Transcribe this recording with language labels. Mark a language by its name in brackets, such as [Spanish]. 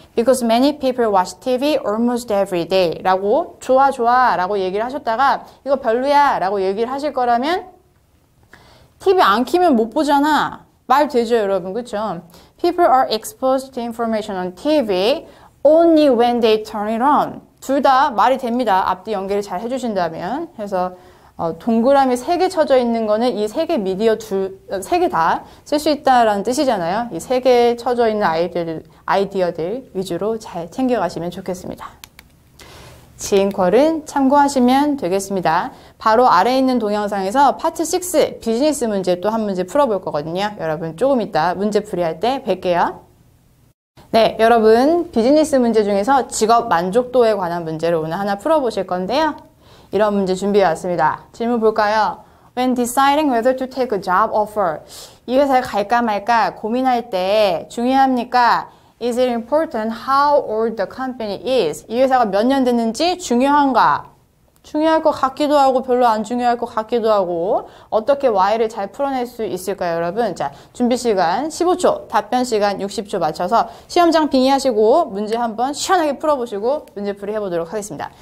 [English] Because many people watch TV almost every day. [Korean] 라고 좋아 좋아 라고 얘기를 하셨다가 이거 별로야 라고 얘기를 하실 거라면, TV 안 키면 못 보잖아. 말 되죠 여러분, 그쵸? [English] People are exposed to information on TV only when they turn it on. [Korean] 둘 다 말이 됩니다. 앞뒤 연계를 잘 해주신다면. 그래서 동그라미 세 개 쳐져 있는 거는 이 세 개 미디어 세 개 다 쓸 수 있다라는 뜻이잖아요. 이 세 개 쳐져 있는 아이디어들 위주로 잘 챙겨가시면 좋겠습니다. 지인퀄은 참고하시면 되겠습니다. 바로 아래에 있는 동영상에서 파트 6 비즈니스 문제 또 한 문제 풀어볼 거거든요. 여러분 조금 이따 문제 풀이할 때 뵐게요. 네, 여러분 비즈니스 문제 중에서 직업 만족도에 관한 문제를 오늘 하나 풀어보실 건데요. 이런 문제 준비해왔습니다. 질문 볼까요? [English] When deciding whether to take a job offer, [Korean] 이 회사에 갈까 말까 고민할 때 중요합니까? [English] Is it important how old the company is? [Korean] 이 회사가 몇 년 됐는지 중요한가? 중요할 것 같기도 하고 별로 안 중요할 것 같기도 하고, 어떻게 why를 잘 풀어낼 수 있을까요 여러분? 자, 준비 시간 15초, 답변 시간 60초 맞춰서 시험장 빙의하시고 문제 한번 시원하게 풀어보시고 문제 풀이 해보도록 하겠습니다.